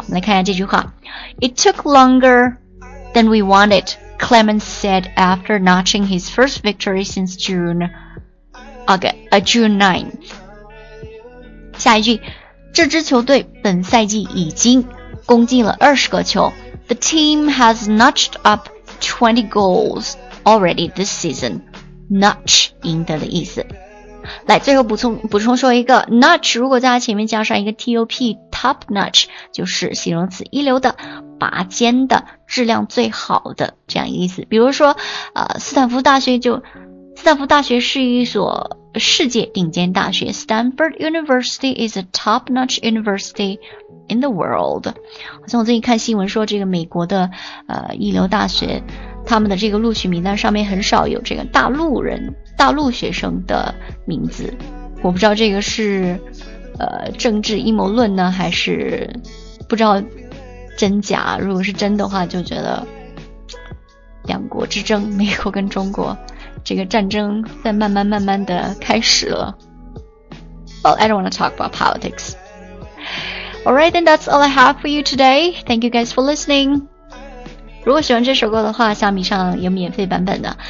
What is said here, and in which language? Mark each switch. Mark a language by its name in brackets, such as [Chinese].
[Chinese] 我们来看一下这句话。 [English] It took longer than we wanted, Clemens said after notching his first victory since June. June 9th. [Chinese] 下一句，这支球队本赛季已经攻进了20个球。 [English] The team has notched up 20 goals already this season. [Chinese] Notch 赢得的意思。来，最后补充说一个 notch， 如果在它前面加上一个 top， top notch 就是形容词，一流的、拔尖的、质量最好的这样意思。比如说，斯坦福大学是一所世界顶尖大学， [English] Stanford University is a top-notch university in the world. [Chinese] 好像我最近看新闻说这个美国的一流大学他们的这个录取名单上面很少有这个大陆人大陆学生的名字。我不知道这个是政治阴谋论呢还是不知道真假，如果是真的话就觉得两国之争美国跟中国这个战争在慢慢慢慢的开始了。 [English] Well, I don't want to talk about politics. Alright, then that's all I have for you today. Thank you guys for listening. [Chinese] 如果喜欢这首歌的话，虾米上有免费版本的。